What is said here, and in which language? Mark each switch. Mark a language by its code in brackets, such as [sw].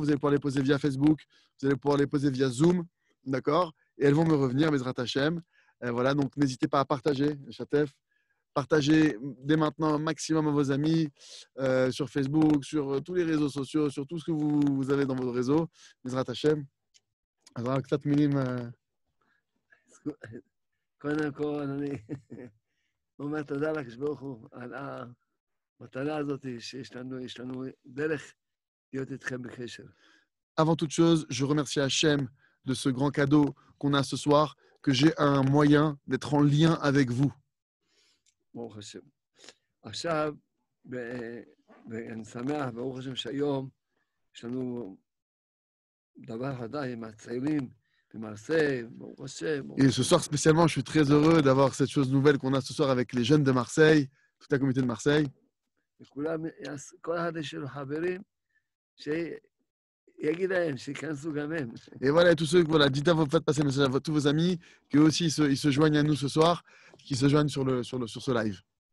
[fr] Vous allez pouvoir les poser via Facebook, vous allez pouvoir les poser via Zoom. D'accord? Et elles vont me revenir, Bezrat Hashem. Voilà, donc n'hésitez pas à partager, Chatef. Partagez dès maintenant un maximum à vos amis sur Facebook, sur tous les réseaux sociaux, sur tout ce que vous avez dans votre réseau. Bezrat Hashem. Alors, que ça te minime. [he] קודם כל, אני אומר תודה לקדוש ברוך הוא על המתנה הזאת שיש לנו, יש לנו דרך להיות איתכם בקשר. [fr] Avant toute chose, je remercie Hashem de ce grand cadeau qu'on a ce soir, que j'ai un moyen d'être en lien avec vous. [he] ברוך השם. עכשיו, אני שמח, ברוך השם שהיום יש לנו דבר חדש עם הצעירים. [fr] Et ce soir spécialement, je suis très heureux d'avoir cette chose nouvelle qu'on a ce soir avec les jeunes de Marseille, toute la communauté de Marseille. Et voilà, tous ceux, voilà, dites à vous, faites passer le message à tous vos amis, qu'eux aussi ils se joignent à nous ce soir, qu'ils se joignent sur ce live.